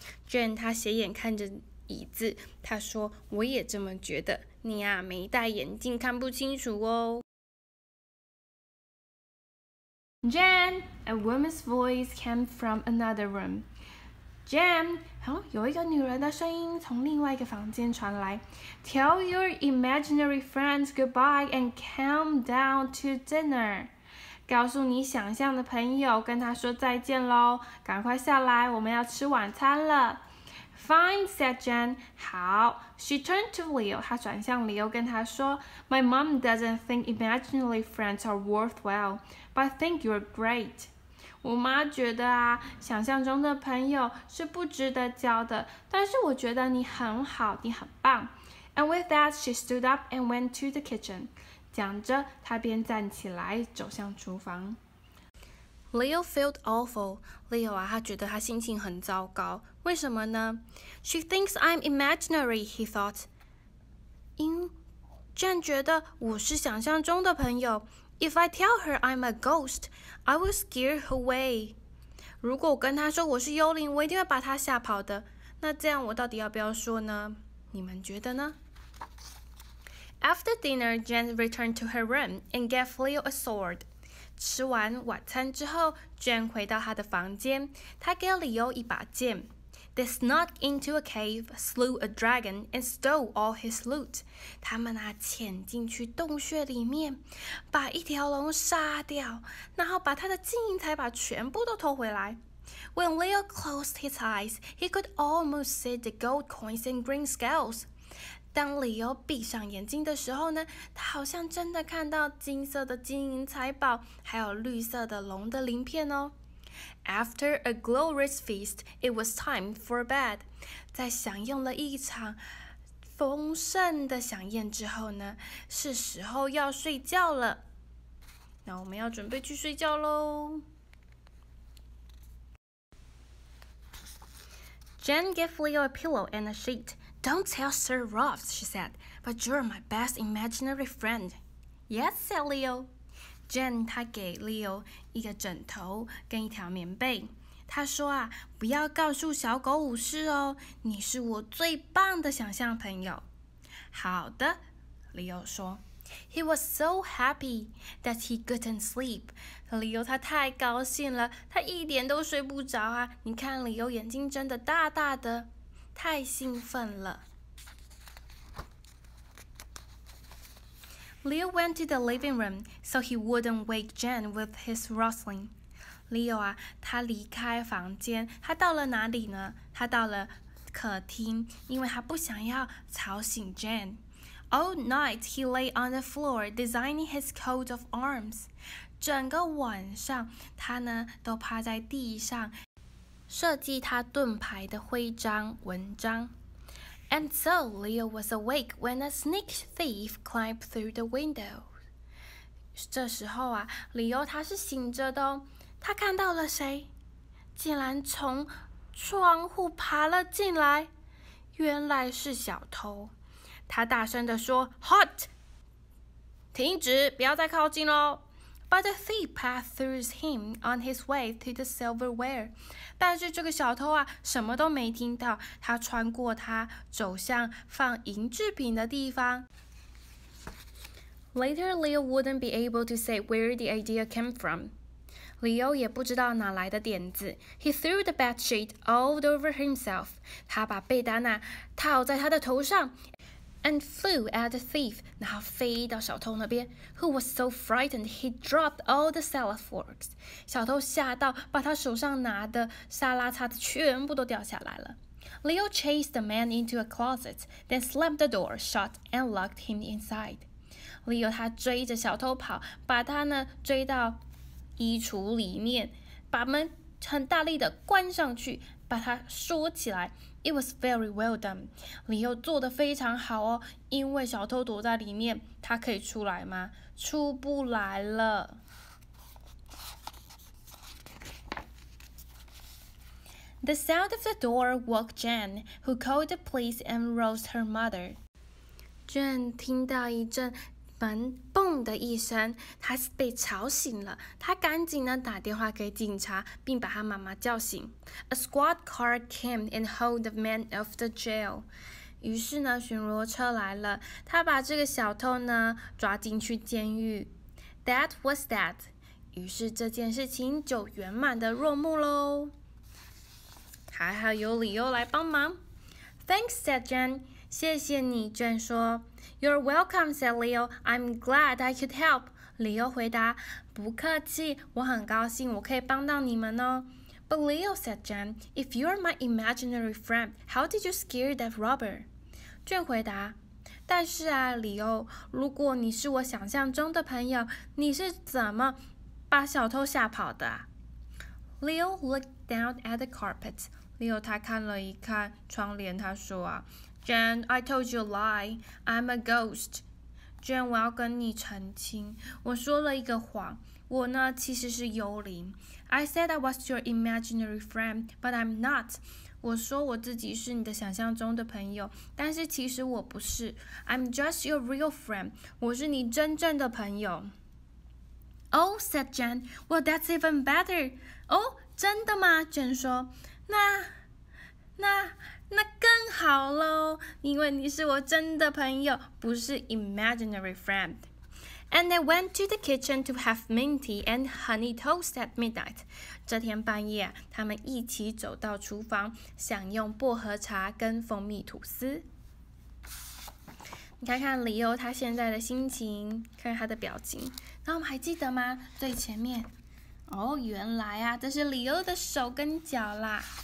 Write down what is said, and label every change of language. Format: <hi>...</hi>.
<zh>Jen 他斜眼看着椅子，他说，我也这么觉得。你啊，没戴眼镜看不清楚哦。</zh> <en>Jen, a woman's voice came from another room.</en> <zh>Jen, 有一个女人的声音从另外一个房间传来。</zh> <en>Tell your imaginary friends goodbye and come down to dinner.</en> <zh>告诉你想象的朋友，跟他说再见咯，赶快下来，我们要吃晚餐了。</zh> <en>Fine, said Jen.</en> <zh>好</zh> <en>She turned to Leo.</en> <zh>她转向 Leo 跟她说</zh> <en>My mom doesn't think imaginary friends are worthwhile, but I think you're great.</en> <zh>我妈觉得啊，想象中的朋友是不值得交的，但是我觉得你很好，你很棒。</zh> <en>And with that, she stood up and went to the kitchen.</en> <zh>讲着，她便站起来走向厨房。</zh> <en>Leo felt awful.</en> <zh>Leo 啊，他觉得他心情很糟糕。为什么呢？</zh> <en>She thinks I'm imaginary, he thought.</en> <zh>Jen 觉得我是想象中的朋友。</zh> <en>If I tell her I'm a ghost, I will scare her away.</en> <zh>如果我跟她说我是幽灵，我一定会把她吓跑的。那这样我到底要不要说呢？你们觉得呢？</zh> <en>After dinner, Jen returned to her room and gave Leo a sword.</en> <zh>吃完晚餐之后 ，Jen 回到她的房间。她给李欧一把剑。</zh> <en>They snuck into a cave, slew a dragon, and stole all his loot.</en> <zh>他们啊，潜进去洞穴里面，把一条龙杀掉，然后把他的金银财宝全部都偷回来。</zh> <en>When Leo closed his eyes, he could almost see the gold coins and green scales.</en> <zh>当李欧闭上眼睛的时候呢，他好像真的看到金色的金银财宝，还有绿色的龙的鳞片哦。</zh> <en>After a glorious feast, it was time for bed.</en> <zh>在享用了一场丰盛的飨宴之后呢，是时候要睡觉了。那我们要准备去睡觉咯。</zh> <en>Jen gave Leo a pillow and a sheet. Don't tell Sir Ralph, she said, but you're my best imaginary friend. Yes, said Leo.</en> <zh>Jen, 她给 Leo 一个枕头跟一条棉被。她说啊，不要告诉小狗武士哦，你是我最棒的想象朋友。好的， Leo 说。</zh> <en>He was so happy that he couldn't sleep.</en> <zh>Leo 他太高兴了，他一点都睡不着啊。你看 Leo 眼睛睁得大大的。太兴奋了。</zh> <en>Leo went to the living room so he wouldn't wake Jen with his rustling.</en> <zh>Leo 啊，他离开房间，他到了哪里呢？他到了客厅，因为他不想要吵醒 Jen.</zh> <en>All night he lay on the floor designing his coat of arms.</en> <zh>整个晚上，他呢都趴在地上。设计他盾牌的徽章文章。</zh> <en>And so Leo was awake when a sneak thief climbed through the window.</en> <zh>这时候啊，李欧他是醒着的哦，他看到了谁？竟然从窗户爬了进来，原来是小偷。他大声地说 ：</zh> <en>“Halt！</en> <zh>停止，不要再靠近喽。”</zh> <en>But the thief passed through him on his way to the silverware.</en> <zh>但是这个小偷啊，什么都没听到，他穿过他，走向放银制品的地方。</zh> <en>Later, Leo wouldn't be able to say where the idea came from.</en> <zh>Leo 也不知道哪来的点子。</zh> <en>He threw the bedsheet all over himself.</en> <zh>他把被单啊套在他的头上。</zh> <en>And flew at the thief,</en> <zh>然后飞到小偷那边</zh> <en>who was so frightened he dropped all the salad forks.</en> <zh>小偷吓到，把他手上拿的沙拉叉子全部都掉下来了。</zh> <en>Leo chased the man into a closet, then slammed the door shut and locked him inside.</en> <zh>Leo 他追着小偷跑，把他呢追到衣橱里面，把门很大力的关上去，把它锁起来。</zh> <en>It was very well done.</en> <zh>Leo 做得非常好哦，因为小偷躲在里面，他可以出来吗？出不来了。</zh> <en>The sound of the door woke Jen, who called the police and roused her mother.</en> <zh>Jen 听到一阵门蹦的一声，她被吵醒了。她赶紧呢打电话给警察，并把她妈妈叫醒。</zh> <en>A squad car came and hauled the man off the jail.</en> <zh>于是呢，巡逻车来了，他把这个小偷呢抓进去监狱。</zh> <en>That was that.</en> <zh>于是这件事情就圆满的落幕喽。还好有理由来帮忙。</zh> <en>Thanks, said Jen.</en> <zh>谢谢你 ，Jen 说。</zh> <en>You're welcome, said Leo. I'm glad I could help.</en> <zh>Leo 回答，不客气，我很高兴我可以帮到你们哦。</zh> <en>But Leo, said Jen, if you're my imaginary friend, how did you scare that robber?</en> <zh>Jen 回答，但是啊，理由，如果你是我想象中的朋友，你是怎么把小偷吓跑的？</zh> <en>Leo looked down at the carpet.</en> <zh>Leo 他看了一看窗帘，他说啊</zh> <en>，Jen, I told you a lie. I'm a ghost.</en> <zh>Jen, 我要跟你澄清，我说了一个谎，我呢其实是幽灵。</zh> <en>I said I was your imaginary friend, but I'm not.</en> <zh>我说我自己是你的想象中的朋友，但是其实我不是。</zh> <en>I'm just your real friend.</en> <zh>我是你真正的朋友。</zh> <en>Oh, said Jen. Well, that's even better.</en> <zh>Oh, 真的吗 ？Jen 说，那更好喽，因为你是我真的朋友，不是</zh> <en>imaginary friend. And they went to the kitchen to have mint tea and honey toast at midnight.</en> <zh>这天半夜，他们一起走到厨房，享用薄荷茶跟蜂蜜吐司。你看看李欧他现在的心情，看看他的表情。那我们还记得吗？最前面，哦，原来啊，这是李欧的手跟脚啦。</zh>